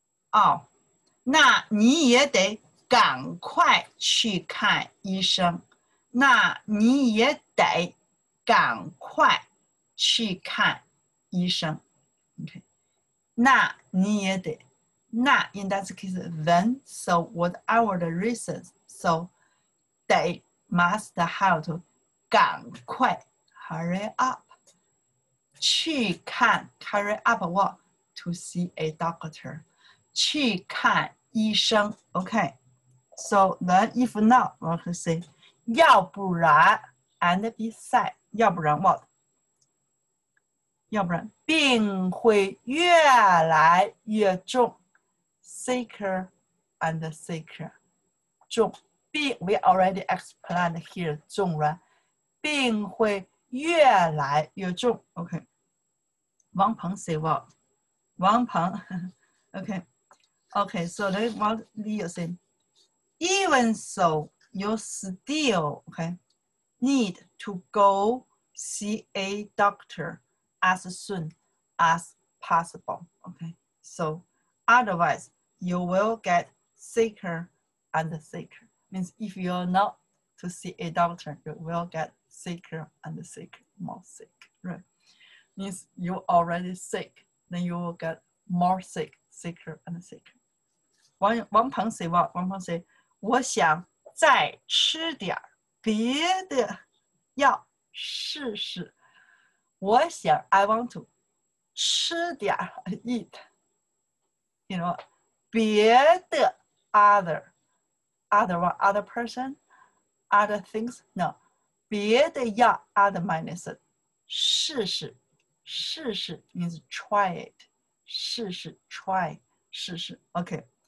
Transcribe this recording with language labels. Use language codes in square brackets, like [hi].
[zh] Oh, 那你也得赶快去看医生。那你也得赶快去看医生 ，OK？那你也得。 [en] 那 in that case, then, so whatever the reasons, so they must have to 赶快 hurry up 去看 hurry up what to see a doctor [zh] 去看医生 [en] ，OK？ So then if not, what to say? 要不然 and beside， 要不然 what？ [zh] 要不然病会越来越重 ， [en] sicker and sicker， [zh] 重病 [en] we already explained here [zh] 重了，病会越来越重。 [en] OK， 王鹏 say what？ 王鹏 ，OK。 Okay, so then what Leo said, even so, you still okay, need to go see a doctor as soon as possible. Okay, so otherwise, you will get sicker and sicker. Means if you're not to see a doctor, you will get sicker and sicker, more sick, right? Means you're already sick, then you will get more sick, sicker and sicker. 王鹏 say what? 王鹏 say, [zh] 我想再吃点别的药试试。 [en] 我想 I want to 吃点 eat, you know, 别的 other one, other person, other things, no, [zh] 别的药 [en] other medicine, 试试试试 means try it, 试试 try, 试试 okay.